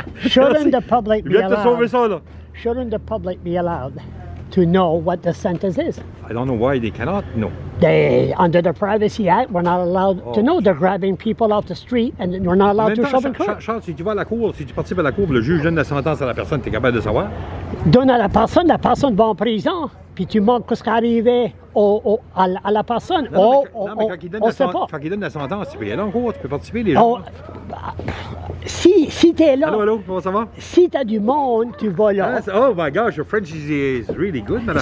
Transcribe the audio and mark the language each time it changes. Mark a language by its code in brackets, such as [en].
[en] Shouldn't the public be allowed? Shouldn't the public be allowed to know what the sentence is? I don't know why they cannot know. They, under the Privacy Act, we're not allowed to know. They're grabbing people off the street and we're not allowed to shove in court. [fr] Charles, si tu vas à la cour, si tu participes à la cour, le juge donne la sentence à la personne, t'es capable de savoir? Donne à la personne va en prison, puis tu manques qu'est-ce qui arrive à la personne. Quand il donne la sentence, tu peux y aller en cour, tu peux participer, les gens. Si t'es là, allô, comment ça va? Si t'as du monde, tu vas là. [en] Oh my gosh, your French is really good, madame.